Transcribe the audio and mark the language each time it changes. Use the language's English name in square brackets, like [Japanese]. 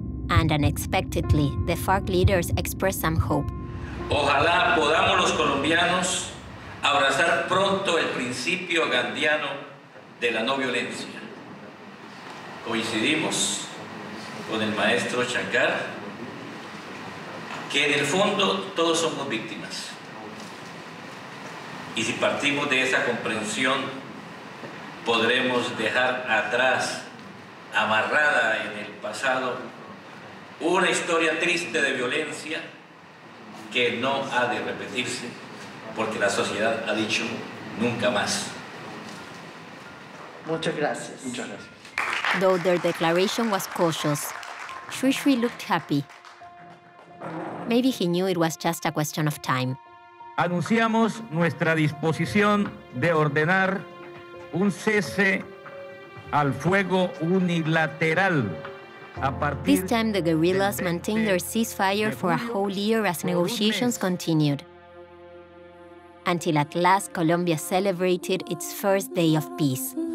[English] And unexpectedly, the FARC leaders expressed some hope. [Spanish] Ojalá podamos los colombianos abrazar pronto el principio gandiano de la no violencia. Coincidimos con el maestro Shankar que en el fondo todos somos víctimas. Y si partimos de esa comprensión, podremos dejar atrás, amarrada en el pasado, una historia triste de violencia que no ha de repetirse porque la sociedad ha dicho nunca más. Muchas gracias. Muchas gracias. [English] Though their declaration was cautious, Sri Sri looked happy. Maybe he knew it was just a question of time. [Spanish] Anunciamos nuestra disposición de ordenar un cese al fuego unilateral. [English] This time, the guerrillas maintained their ceasefire for a whole year as negotiations continued, until at last Colombia celebrated its first day of peace.